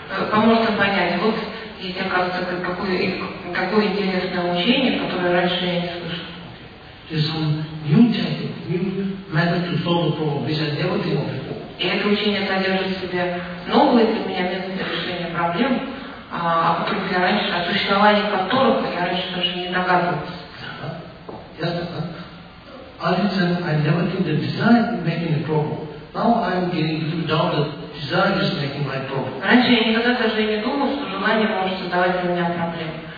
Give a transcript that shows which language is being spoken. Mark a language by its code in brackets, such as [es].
[ru] Поможет им понять. Вот есть, оказывается, какое интересное учение, которое раньше я не слышал. [en] There's some new technique, new method to solve the problem, which I never came up before. [ru] И это учение содержит в себе новые для меня методы решения проблем, о существовании которых я раньше даже не догадывался. Раньше я никогда даже не думал, что желание может создавать для меня проблемы.